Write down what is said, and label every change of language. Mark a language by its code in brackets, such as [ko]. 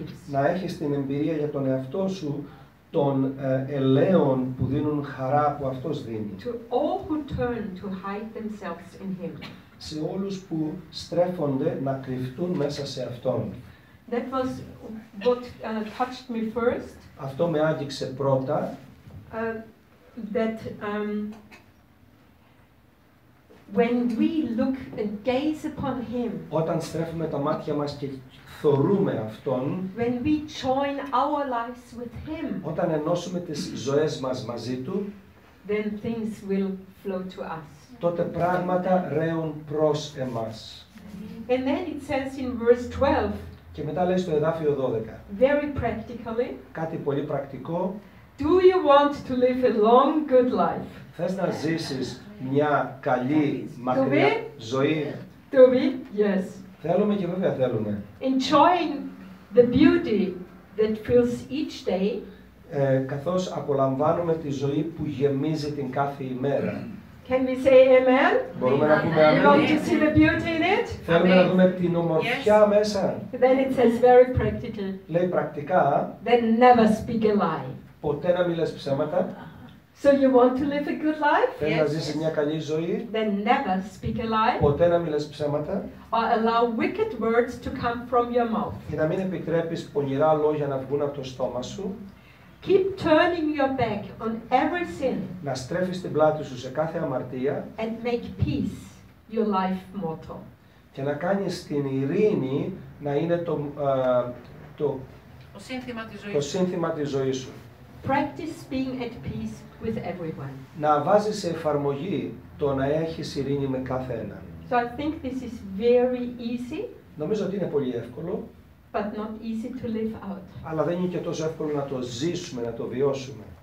[el] Να έχεις την εμπειρία για τον εαυτό σου των ελαίων που δίνουν χαρά που αυτός δίνει. [en] To all who turn to hide themselves in him. [el] Σε όλους που στρέφονται να κρυφτούν μέσα σε αυτόν. [en] That was what touched me first. [el] Αυτό με άγγιξε πρώτα. [en] When we look and gaze upon him. [el] Όταν στρέφουμε τα μάτια μας και θωρούμε αυτόν. [en] When we join our lives with him. [el] Όταν ενώσουμε τις ζωές μας μαζί του. [en] Then things will flow to us. [el] Τότε πράγματα ρέουν προς εμάς. [en] And then it says in verse 12. [el] Και μετά λέει στο εδάφιο 12. [en] Very practically. [el] Κάτι πολύ πρακτικό. [en] Do you want to live a long good life? [el] Θες να ζήσεις μια καλή μακριά ζωή? [en] To me, yes. [el] Θέλουμε και βέβαια θέλουμε. [en] Enjoying the beauty that fills each day. [el] Καθώς απολαμβάνουμε τη ζωή που γεμίζει την κάθε ημέρα. [en] Can we say amen? [el] Μπορούμε να πούμε αμήν. [en] You want to see the beauty in it? [el] Θέλουμε να δούμε την ομορφιά μέσα. [en] Then it says very practically. [el] Λέει πρακτικά. [en] Then never speak a lie. [el] Ποτέ να μιλάς ψέματα. [en] So you want to live a good life? [el] Θέλεις να ζήσεις μια καλή ζωή? [en] Then never speak a lie. [el] Ποτέ να μιλάς ψέματα. [en] Or allow wicked words to come from your mouth. [el] Και να μην επιτρέπεις πονηρά λόγια να βγουν από το στόμα σου. [en] Keep turning your back on every sin. [el] Να στρέφεις την πλάτη σου σε κάθε αμαρτία. [en] And make peace your life motto. [el] Και να κάνεις την ειρήνη να είναι το σύνθημα της ζωής σου. [en] Practice being at peace with everyone. [el] Να βάζεις σε εφαρμογή το να έχεις ειρήνη με κάθε έναν. [en] So I think this is very easy. [el] Νομίζω ότι είναι πολύ εύκολο. [en] But not easy to live out. [el] Αλλά δεν είναι και τόσο εύκολο να το ζήσουμε, να το βιώσουμε.